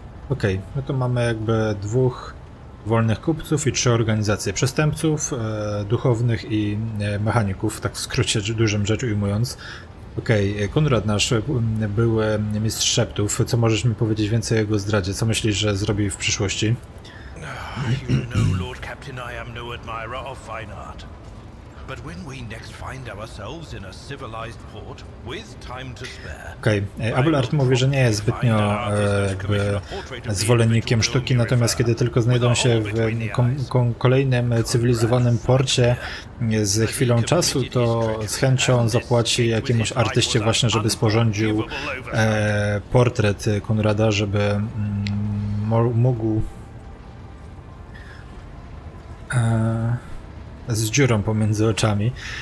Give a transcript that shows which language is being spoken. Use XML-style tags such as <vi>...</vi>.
<pl>Okej, okay, no to mamy jakby dwóch wolnych kupców i 3 organizacje przestępców, duchownych i mechaników, tak w skrócie dużym rzecz ujmując. Okej, okay. Konrad, nasz były mistrz szeptów, co możesz mi powiedzieć więcej o jego zdradzie? Co myślisz, że zrobi w przyszłości?</pl> <en>You know, Lord Captain, I am no admirer of fine art. But when we next find ourselves in a civilized port with time to spare.</en> <pl>Okej, Abelard mówi, że nie jest zbytnio jakby zwolennikiem sztuki, natomiast kiedy tylko znajdą się w kolejnym cywilizowanym porcie z chwilą czasu, to z chęcią zapłaci jakiemuś artyście właśnie, żeby sporządził portret Konrada, żeby mógł z dziurą pomiędzy oczami.</pl>